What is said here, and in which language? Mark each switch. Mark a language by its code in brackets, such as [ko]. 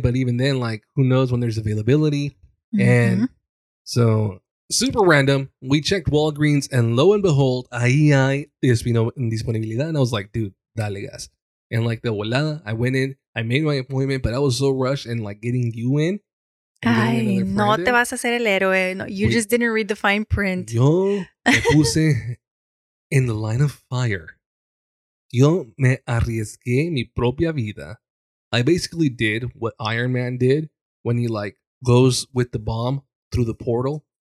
[en] But even then, like, who knows when there's availability. Mm-hmm. And so, super random. We checked Walgreens and lo and behold, [es] ahí hay disponibilidad. [en] And I was like, dude, [es] dale gas. [en] And like the volada, I went in, I made my appointment, but I was so rushed and like getting you in. [es] Ay, no te vas a hacer el héroe. [en] No, wait, just didn't read the fine print. [es] Yo me puse [en] in the line of fire. [es] Yo me arriesgué mi propia vida. [en] I basically did what Iron Man did when he like goes with the bomb through the portal.